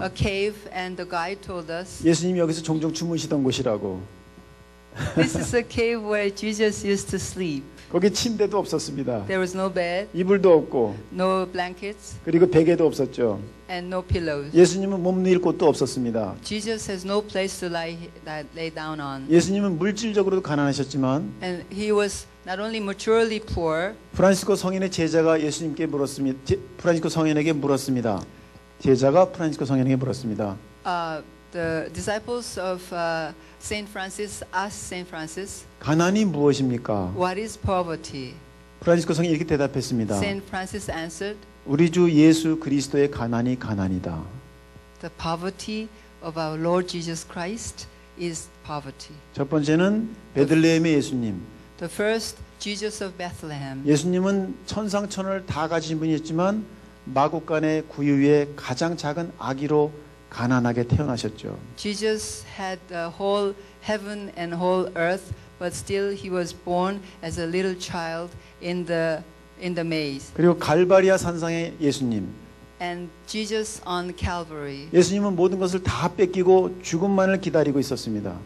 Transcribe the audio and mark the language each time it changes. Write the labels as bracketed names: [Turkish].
[English] A cave, and the guide told us, [Korean] 예수님이 여기서 종종 주무시던 곳이라고. [English] This is a cave where Jesus used to sleep. [Korean] 거기 침대도 없었습니다. [English] There was no bed, [Korean] 이불도 없고 [English] no blankets, [Korean] 그리고 베개도 없었죠. [English] And no pillows. [Korean] 예수님은 몸 누일 곳도 없었습니다. [English] Jesus has no place to lay down on. [Korean] 예수님은 물질적으로도 가난하셨지만 [English] and he was not only materially poor. [Korean] 프란시스코 성인의 제자가 예수님께 물었습니다. 프란시스코 성인에게 물었습니다. 제자가 프란시스코 성인에게 물었습니다. [English] The disciples of Saint Francis asked Saint Francis. [Korean] 가난이 무엇입니까? [English] What is poverty? [Korean] 프란시스코 성인 이렇게 대답했습니다. [English] Saint Francis answered. [Korean] 우리 주 예수 그리스도의 가난이 가난이다. [English] The poverty of our Lord Jesus Christ is poverty. [Korean] 첫 번째는 베들레헴의 예수님. [English] The first Jesus of Bethlehem. [Korean] 예수님은 천상천을 다 가진 분이었지만 마구간의 구유 위에 가장 작은 아기로 가난하게 태어나셨죠. [English] Jesus had the whole heaven and whole earth, but still he was born as a little child in the maze. [Korean] 그리고 갈바리아 산상의 예수님. [English] and Jesus on Calvary. [Korean] 예수님은 모든 것을 다 뺏기고 죽음만을 기다리고 있었습니다.